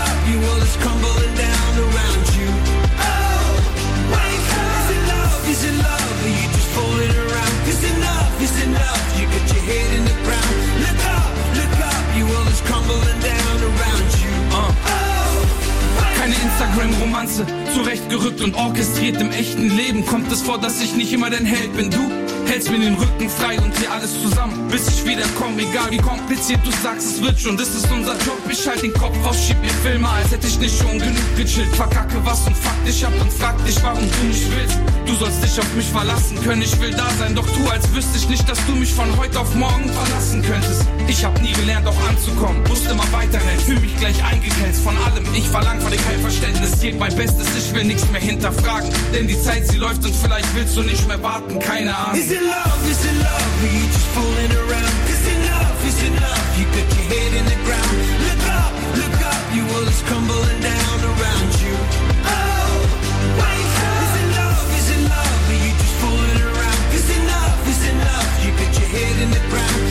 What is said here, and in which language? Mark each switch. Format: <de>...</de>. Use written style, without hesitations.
<en>Your world is crumbling down around you. Oh, wake up. Is it love? Is it love? Are you just fooling around? Is it enough? Is it enough? You got your head in the ground. Look up, look up. Your world is crumbling down around you.</en> <de>Keine Instagram-Romanze, zurechtgerückt und orchestriert. Im echten Leben kommt es vor, dass ich nicht immer dein Held bin. Du hältst mir den Rücken frei und hier alles zusammen, bis ich wieder komm. Egal wie kompliziert du sagst, es wird schon, das ist unser Job. Ich halt den Kopf auf, schieb mir Filme, als hätte ich nicht schon genug gechillt. Verkacke was und fuck dich ab und frag dich, warum du nicht willst. Du sollst dich auf mich verlassen können, ich will da sein. Doch tu, als wüsste ich nicht, dass du mich von heute auf morgen verlassen könntest. Ich hab nie gelernt, auch anzukommen, musste immer weiterrennen. Fühl mich gleich eingegrenzt von allem, ich verlang von dir kein Verständnis. Gib mein Bestes, ich will nichts mehr hinterfragen. Denn die Zeit, sie läuft und vielleicht willst du nicht mehr warten, keine Ahnung.</de> <en>Is it love, is it love, are you just fooling around? Is it love, you got your head in the ground. Look up, your world is crumbling down around you. Oh, wake up. Is it love, are you just fooling around? Is enough, you got your head in the ground.</en>